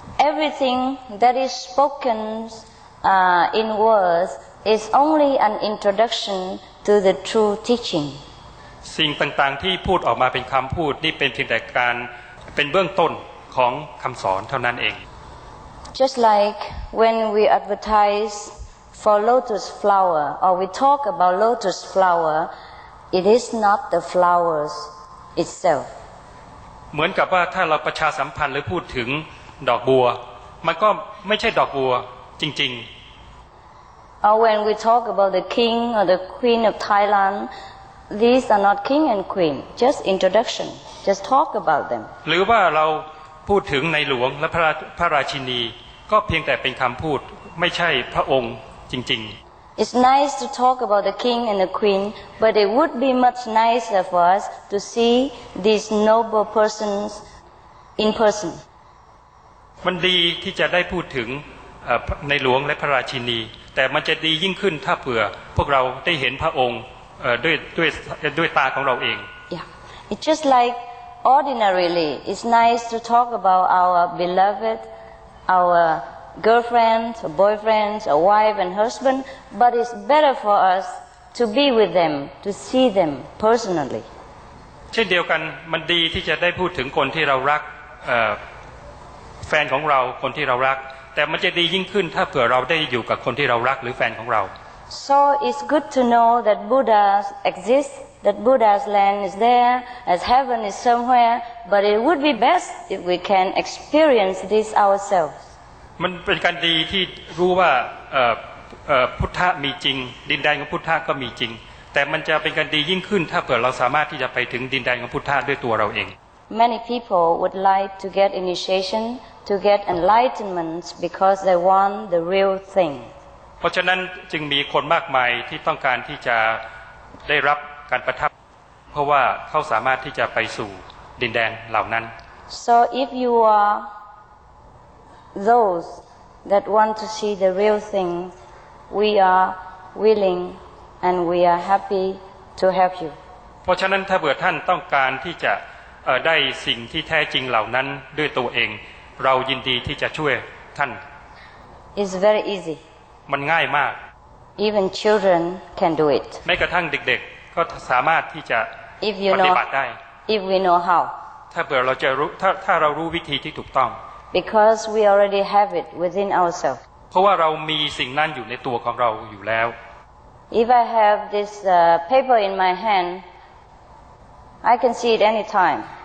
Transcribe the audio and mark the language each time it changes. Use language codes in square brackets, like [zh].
[en] Everything that is spoken in words is only an introduction to the true teaching. [th] สิ่งต่างๆที่พูดออกมาเป็นคำพูดนี่เป็นเพียงแต่การเป็นเบื้องต้นของคำสอนเท่านั้นเอง [en] Just like when we advertise for lotus flower or we talk about lotus flower, it is not the flowers itself. [th] เหมือนกับว่าถ้าเราประชาสัมพันธ์หรือพูดถึงดอกบัวมันก็ไม่ใช่ดอกบัวจริง [en] ๆ Or when we talk about the king or the queen of Thailand these are not king and queen just introduction just talk about them [th] หรือว่าเราพูดถึงในหลวงและพระราชินีก็เพียงแต่เป็นคำพูดไม่ใช่พระองค์จริงๆ [en] It's nice to talk about the king and the queen, but it would be much nicer for us to see these noble persons in person. [th] มันดีที่จะได้พูดถึงในหลวงและพระราชินีแต่มันจะดียิ่งขึ้นถ้าเผื่อพวกเราได้เห็นพระองค์ด้วยตาของเราเอง [en] Yeah. It's just like ordinarily, it's nice to talk about our beloved, our girlfriend, or boyfriend, or wife and husband, but it's better for us to be with them, to see them personally. [th] เช่นเดียวกันมันดีที่จะได้พูดถึงคนที่เรารักแฟนของเราคนที่เรารักแต่มันจะดียิ่งขึ้นถ้าเผื่อเราได้อยู่กับคนที่เรารักหรือแฟนของเรา [en] So it's good to know that Buddha exists, that Buddha's land is there, as heaven is somewhere, but it would be best if we can experience this ourselves. [th] มันเป็นการดีที่รู้ว่าพุทธะมีจริงดินแดนของพุทธะก็มีจริงแต่มันจะเป็นการดียิ่งขึ้นถ้าเผื่อเราสามารถที่จะไปถึงดินแดนของพุทธะด้วยตัวเราเอง [en] Many people would like to get initiation to get enlightenment because they want the real thing [th] เพราะฉะนั้นจึงมีคนมากมายที่ต้องการที่จะได้รับการประทับเพราะว่าเขาสามารถที่จะไปสู่ดินแดนเหล่านั้น [en] So if you areThose that want to see the real thing, we are willing and we are happy to help you. [th] เพราะฉะนั้นถ้าเผื่อท่านต้องการที่จะได้สิ่งที่แท้จริงเหล่านั้นด้วยตัวเองเรายินดีที่จะช่วยท่าน [en] It's very easy [th] มันง่ายมาก [en] Even children can do it [th] แม้กระทั่งเด็กๆก็สามารถที่จะปฏิ บัติได้ [en] If we know how [th] ถ้าเผื่อเราจะรู้ถ้าเรารู้วิธีที่ถูกต้อง [en] Because we already have it within ourselves [th] เพราะว่าเรามีสิ่งนั้นอยู่ในตัวของเราอยู่แล้ว [en] If I have this paper in my handI can see it anytime.